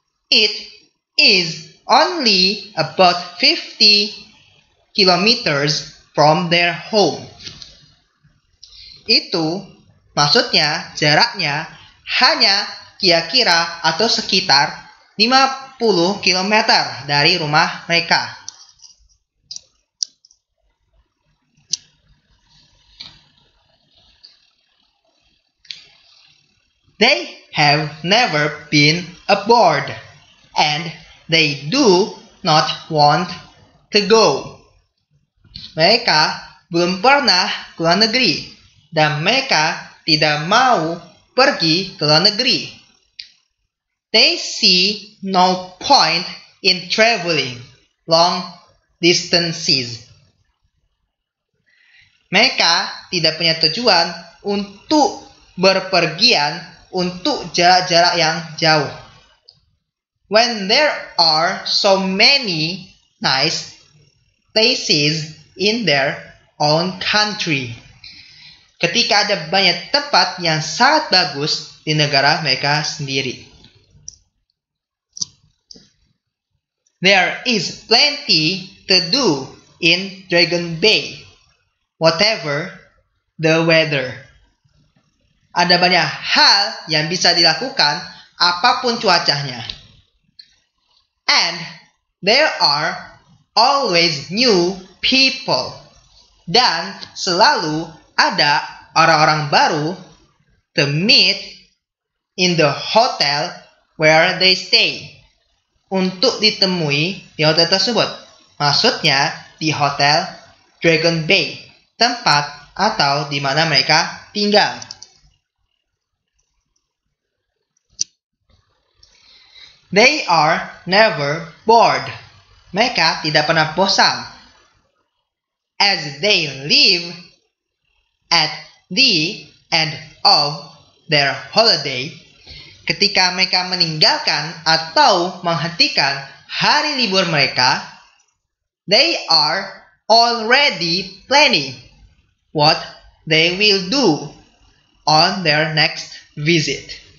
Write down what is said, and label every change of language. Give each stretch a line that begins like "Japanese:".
English: It is only about 50 kilometers from their home.
Indonesian: Itu maksudnya jaraknya hanya kira-kira atau sekitar 50 km dari rumah mereka.
English: They have never been aboard and they do not want to go.
Indonesian: Mereka belum pernah ke luar negeri. Dan mereka tidak mau pergi ke luar negeri.
English: They see no point in traveling long distances.
Indonesian: Mereka tidak punya tujuan untuk berpergian untuk jarak-jarak yang jauh.
English: When there are so many nice places in their own country.
Indonesian: Ketika ada banyak tempat yang sangat bagus di negara mereka sendiri.
English: There is plenty to do in Dragon Bay, whatever the weather.
Indonesian: Ada banyak hal yang bisa dilakukan apapun cuacanya.
English: And there are always new people.
Indonesian: Dan selalu ada orang-orang baru
English: to meet in the hotel where they stay,
Indonesian: untuk ditemui di hotel tersebut, maksudnya di hotel Dragon Bay, tempat atau di mana mereka tinggal.
English: They are never bored.
Indonesian: Mereka tidak pernah bosan.
English: As they live at the end of their holiday,
Indonesian: ketika mereka meninggalkan atau menghentikan hari libur mereka,
English: they are already planning what they will do on their next visit.